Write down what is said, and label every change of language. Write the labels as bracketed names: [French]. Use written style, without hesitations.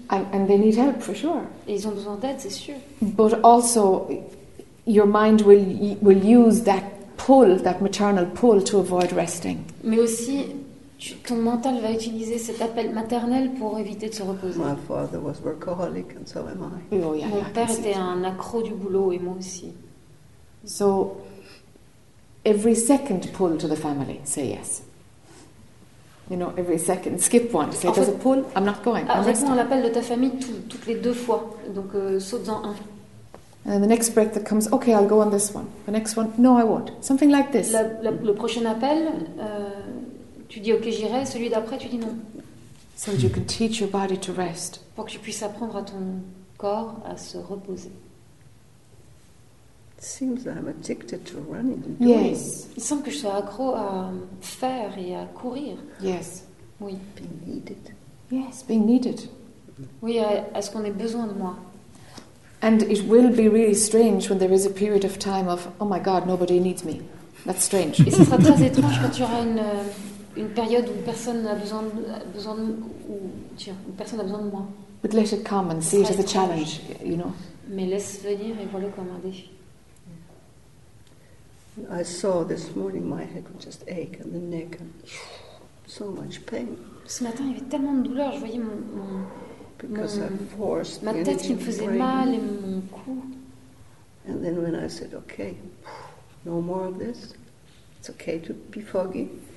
[English] And they need help for sure. [French] Et ils ont besoin d'aide, c'est sûr. [English] But also, your mind will use that pull, that maternal pull, to avoid resting. [French] Mais aussi, ton mental va utiliser cet appel maternel pour éviter de se reposer. [English] My father was workaholic, and so am I. Oh, yeah, [French] mon [English] yeah, [French] père était un accro du boulot, et moi aussi. [English] So, every second pull to the family, say yes. You know, every second, skip one. Say, there's a pull, I'm not going. [French] Réponds à l'appel de ta famille toutes les deux fois, donc saute-en un. [English] And then the next break that comes, okay, I'll go on this one. The next one, no, I won't. Something like this. [French] Le prochain appel, tu dis, ok, j'irai. Celui d'après, tu dis non. [English] So that you can teach your body to rest. [French] Pour que tu puisses apprendre à ton corps à se reposer. [English] It seems that I'm addicted to running. Yes. [French] Il semble que je sois accro à faire et à courir. [English] Yes. [French] Oui. [English] Being needed. Yes, being needed. [French] Oui, est-ce qu'on ait besoin de moi? [English] And it will be really strange when there is a period of time of, oh my God, nobody needs me. That's strange. [French] Et ce sera très étrange quand tu auras une période où personne n'a besoin de moi. [English] But let it come and see it as a challenge, you know. [French] Mais laisse venir et vois-le comme un défi. [English] I saw this morning my head would just ache and the neck and so much pain. [French] Ce matin, il y avait tellement de douleur. Je voyais mon [English] because I forced [French] ma tête qui me faisait mal et mon cou. [English] And then when I said, okay, no more of this, it's okay to be foggy.